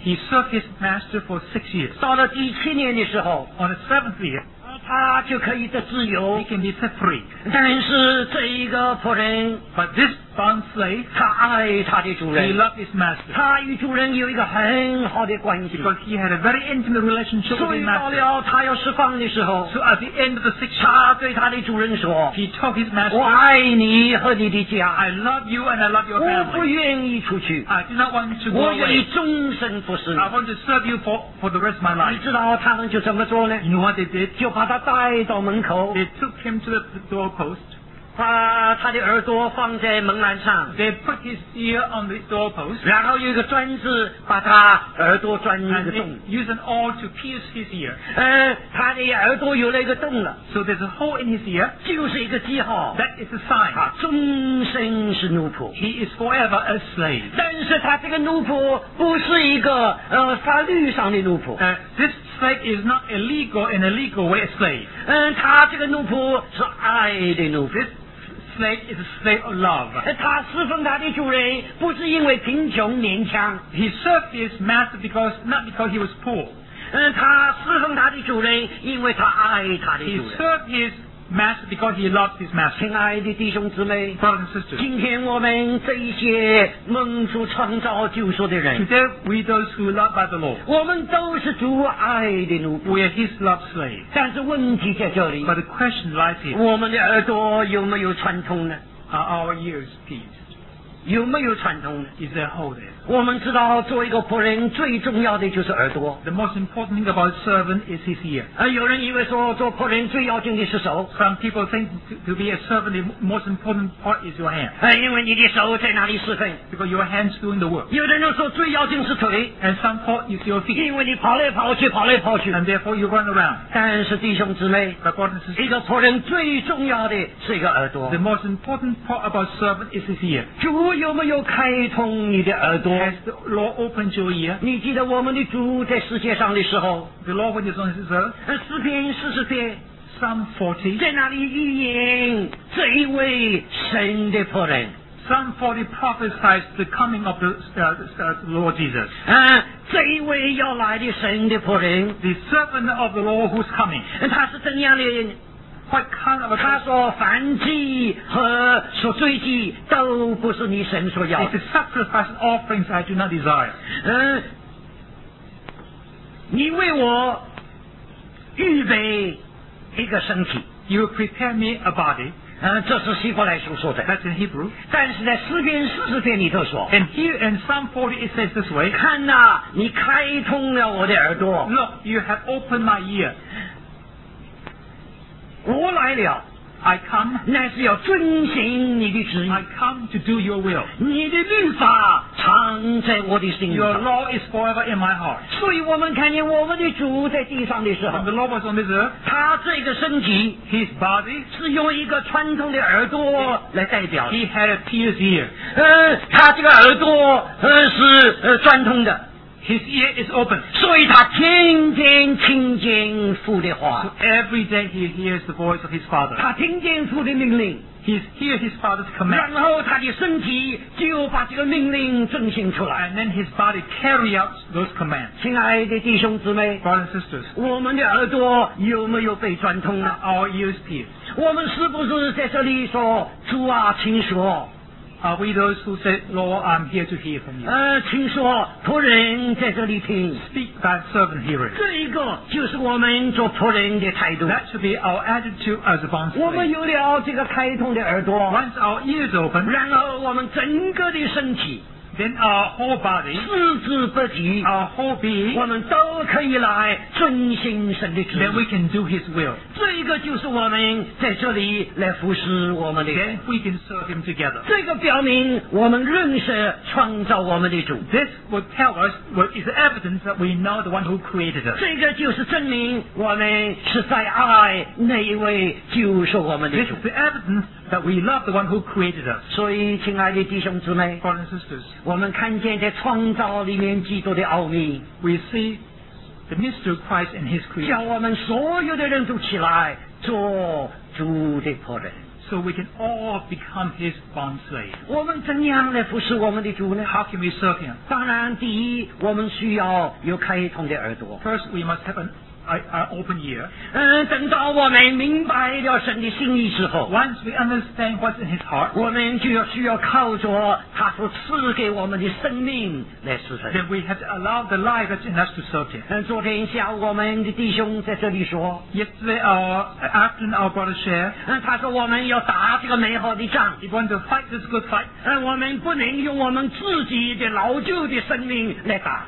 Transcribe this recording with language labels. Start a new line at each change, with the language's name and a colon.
English: he served his master for 6 years,
Chinese: 到了第七年的时候，
English: on the 7th year,
Chinese: 他就可以得自由，
English: he can be set free.
Chinese: 但是这一个仆人，
English: but this bond slave,
Chinese: 他爱他的主人，
English: he loved his master.
Chinese: 他与主人有一个很好的关系，
English: because he had a very intimate relationship with his master.
Chinese: 所以到了他要释放的时候，
English: so at the end of the 6 years,
Chinese: 他对他的主人说，
English: he told his master,
Chinese: 我爱你和你的家，
English: I love you and I love your family.
Chinese: 我不愿意出去，
English: I do not want to go away.
Chinese: 我愿意终身服侍，
English: I want to serve you for the rest of my life.
Chinese: 你知道他们就怎么做呢？
English: You know what they did?
Chinese: 就把他带到门口，
English: they took him to the doorpost,
Chinese: 把他的耳朵放在门栏上，
English: they put his ear on the doorpost,
Chinese: 然后有一个砖子把他耳朵钻一个洞，
English: and they used an awl to pierce his ear,
Chinese: 他的耳朵有了一个洞了，
English: so there's a hole in his ear,
Chinese: 就是一个记号，
English: that is a sign,
Chinese: 他终身是奴仆，
English: he is forever a slave,
Chinese: 但是他这个奴仆不是一个法律上的奴仆，
English: thisslave is not illegal in a legal way a slave.
Chinese: 他这个奴仆是爱的奴仆。
English: This slave is a slave of love.
Chinese: 他侍奉他的主人不是因为贫穷勉强。
English: He served his master because, not because he was poor.
Chinese: 他侍奉他的主人因为他爱他的主人。
English: He served his master because he loved his master.
Chinese: 亲爱的弟兄姊妹，
English: brothers and sisters,
Chinese: 今天我们这一些蒙主创造救赎的人，
English: today we those who love by the Lord,
Chinese: 我们都是主爱的奴仆，
English: we are his love slave.
Chinese: 但是问题在这里，
English: but the question lies here,
Chinese: 我们的耳朵有没有串通呢？
English: Are our ears pierced?
Chinese: 有没有串通呢？
English: Is there a hole there?
Chinese: 我们知道做一个仆人最重要的就是耳朵，
English: the most important thing about a servant is his ear.
Chinese: 有人以为说做仆人最要紧的是手，
English: some people think to be a servant the most important part is your hand,
Chinese: 因为你的手在哪里侍奉，
English: because your hand's doing the work.
Chinese: 有的人说最要紧是腿，
English: and some part is your feet,
Chinese: 因为你跑来跑去跑来跑去，
English: and therefore you run around.
Chinese: 但是弟兄姊妹，
English: but brothers and sisters,
Chinese: 一个仆人最重要的是一个耳朵，
English: the most important part about servant is his ear.
Chinese: 主有没有开通你的耳朵？
English: Has the Lord opened your ear?
Chinese: 你记得我们的主在世界上的时候，
English: the Lord when he's on his earth,
Chinese: 诗篇四十篇，
English: Psalm 40,
Chinese: 在那里预言这一位神的仆人，
English: Psalm 40 prophesies the coming of the Lord Jesus,
Chinese: 这一位要来的神的仆人，
English: the servant of the Lord who's coming,
Chinese: 他是怎样的人？
English: What kind of a...
Chinese: 他说燔祭和赎罪祭都不是你神所要
English: 的。 It's a sacrifice and offerings I do not desire.
Chinese: 你为我预备一个身体。
English: You prepare me a body.
Chinese: 这是希伯来书说的。
English: That's in Hebrew.
Chinese: 但是在诗篇四十篇里头说，
English: And here in Psalm 40 it says this way.
Chinese: 看哪，你开通了我的耳朵。
English: Look, you have opened my ear.
Chinese: 我来了，
English: I come,
Chinese: 乃是要遵行你的旨意。
English: I come to do your will.
Chinese: 你的律法藏在我的心上。
English: Your law is forever in my heart.
Chinese: 所以我们看见我们的主在地上的时候，
English: When the Lord was on this earth,
Chinese: 他这个身体，
English: His body,
Chinese: 是用一个穿透的耳朵来代表。
English: He had a pierced ear.
Chinese: 他这个耳朵是穿通的。
English: His ear is open.
Chinese: 所以他天天听见父的话。
English: So every day he hears the voice of his father.
Chinese: 他听见父的命令。
English: He hears his father's command.
Chinese: 然后他的身体就把这个命令遵行出来。
English: And then his body carry out those commands.
Chinese: 亲爱的弟兄姊妹，
English: Brothers and sisters,
Chinese: 我们的耳朵有没有被串通呢？
English: Our ears pierced.
Chinese: 我们是不是在这里说，主啊，请说。
English: Are we those who say, Lord, I'm here to hear from you?
Chinese: 请说，仆人在这里听。
English: Speak by servant hearing.
Chinese: 这一个就是我们做仆人的态度。
English: That should be our attitude as a bondslave.
Chinese: 我们有了这个开通的耳朵。
English: Once our ears open,
Chinese: 然后我们整个的身体。
English: Then our whole body,
Chinese: 四肢不及,
English: our whole being,
Chinese: 我们都可以来遵行神的旨意。
English: Then we can do His will.
Chinese: 这一个就是我们在这里来服侍我们的。
English: Then we can serve Him together.
Chinese: 这个表明我们认识创造我们的主。
English: This will tell us what is evidence that we know the one who created us.
Chinese: 这个就是证明我们是在爱那一位救赎我们的主。
English: This is the evidence. That we love the one who created us.
Chinese: 所以，亲爱的弟兄姊妹，
English: Brothers and sisters,
Chinese: 我们看见在创造里面基督的奥秘。
English: We see the mystery of Christ and his creation. So we can all become his bond slaves. How can we serve him?
Chinese: 当然第一,
English: first, we must have an open ear.
Chinese: 等到我们明白了神的心意之后,
English: once we understand what's in his heart, then we have to allow the life that's in us to serve him.
Chinese: 昨天下午我们的弟兄在这里说,
English: yesterday, afternoon, our brother shared,
Chinese: 他说我们要打这个美好的仗,
English: he wanted to fight this good fight.
Chinese: 我们不能用我们自己的老旧的生命来打,